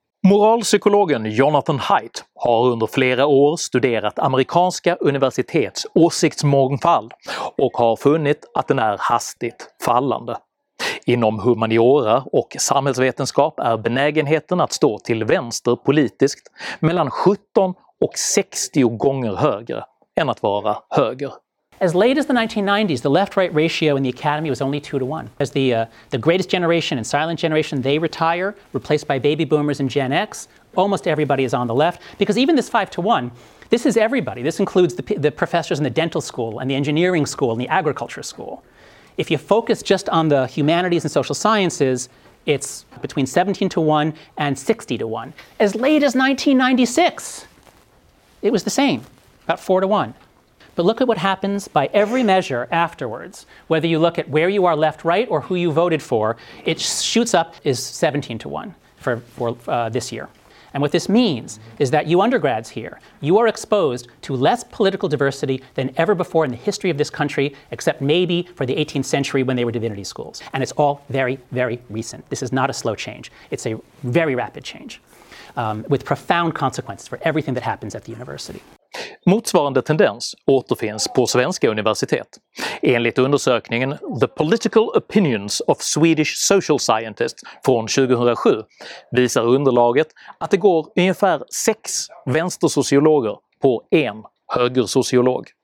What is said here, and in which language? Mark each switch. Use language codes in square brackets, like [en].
[sv] Moralpsykologen Jonathan Haidt har under flera år studerat amerikanska universitets åsiktsmångfald och har funnit att den är hastigt fallande. Inom humaniora och samhällsvetenskap är benägenheten att stå till vänster politiskt mellan 17 och 60 gånger högre än att vara höger. [en] As late as the 1990s, the left-right ratio in the academy was only 2-1. As the greatest generation and silent generation, they retire, replaced by baby boomers and Gen X, almost everybody is on the left. Because even this 5-1, this is everybody. This includes the professors in the dental school and the engineering school and the agriculture school. If you focus just on the humanities and social sciences, it's between 17-1 and 60-1. As late as 1996, it was the same, about 4-1. But look at what happens by every measure afterwards. Whether you look at where you are left, right, or who you voted for, it shoots up is 17-1 for this year. And what this means is that you undergrads here, you are exposed to less political diversity than ever before in the history of this country, except maybe for the 18th century when they were divinity schools. And it's all very, very recent. This is not a slow change. It's a very rapid change. with profound consequences for everything that happens at the university. [sv] Motsvarande tendens återfinns på svenska universitet. Enligt undersökningen The Political Opinions of Swedish Social Scientists från 2007 visar underlaget att det går ungefär 6 vänstersociologer på 1 högersociolog.